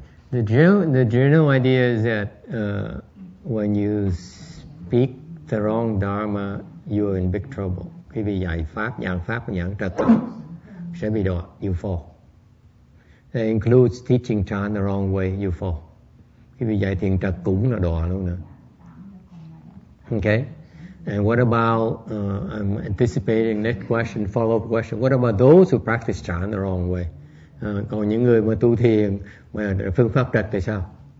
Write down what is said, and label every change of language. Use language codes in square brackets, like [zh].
[en] The general idea is that when you speak the wrong dharma, you are in big trouble. [vi] Khi bị dạy pháp, giảng pháp, giảng trật, sẽ bị đọa. [en] You fall. That includes teaching Chan the wrong way. You fall. [vi] Khi bị dạy thiền trật cũng là đọa luôn nè. [en] Okay. And what about, I'm anticipating next question, follow-up question. What about those who practice Chan the wrong way? [vi] Còn những người mà tu thiền, mà phương pháp trật thì sao?